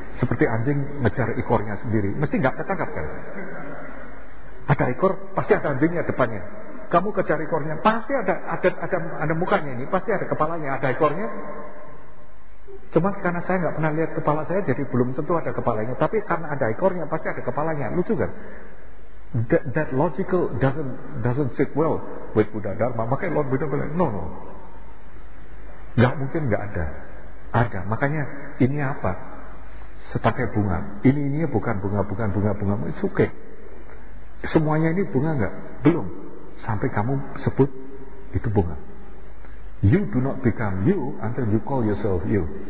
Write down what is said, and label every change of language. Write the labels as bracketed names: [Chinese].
[Indonesian] Seperti anjing ngejar ekornya sendiri. Mesti gak ketangkap kan? Ada ekor, pasti ada anjingnya depannya. Kamu kejar ekornya, pasti ada mukanya ini. Pasti ada kepalanya, ada ekornya. Cuma karena saya gak pernah lihat kepala saya, jadi belum tentu ada kepalanya. Tapi karena ada ekornya, pasti ada kepalanya. Lucu kan? [English] That logical doesn't sit well with Buddha Dharma. [Indonesian] Makanya Lord Buddha bilang, no. Gak mungkin gak ada. Ada. Makanya ini apa? Setangkai bunga. Ini bukan bunga. [English] It's okay. [Indonesian] Semuanya ini bunga enggak? Belum. Sampai kamu sebut itu bunga. [English] You do not become you until you call yourself you.